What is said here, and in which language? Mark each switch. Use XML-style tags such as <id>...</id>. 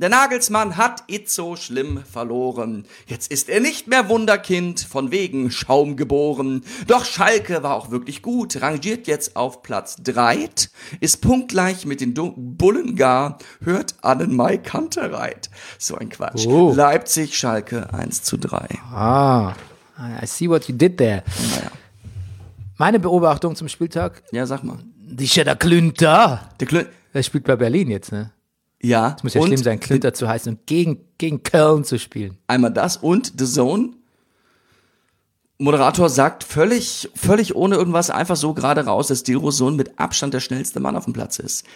<de>Der Nagelsmann hat Itzo schlimm verloren. Jetzt ist er nicht mehr Wunderkind, von wegen Schaum geboren. Doch Schalke war auch wirklich gut, rangiert jetzt auf Platz 3, ist punktgleich mit den Bullen gar, hört Annen Mai Kante reit. So ein Quatsch. Oh. Leipzig, Schalke 1-3.</de> <en>Ah, I see what you did there.</en> <de>Naja. Meine Beobachtung zum Spieltag. Ja, sag mal. Der Klünter. Der Klünter. Er spielt bei Berlin jetzt, ne? Ja. Es muss ja schlimm sein, Klünter zu heißen und gegen Köln zu spielen. Einmal das und The Zone. Moderator sagt völlig ohne irgendwas einfach so gerade raus, dass Dilro Sohn mit Abstand der schnellste Mann auf dem Platz ist.</de>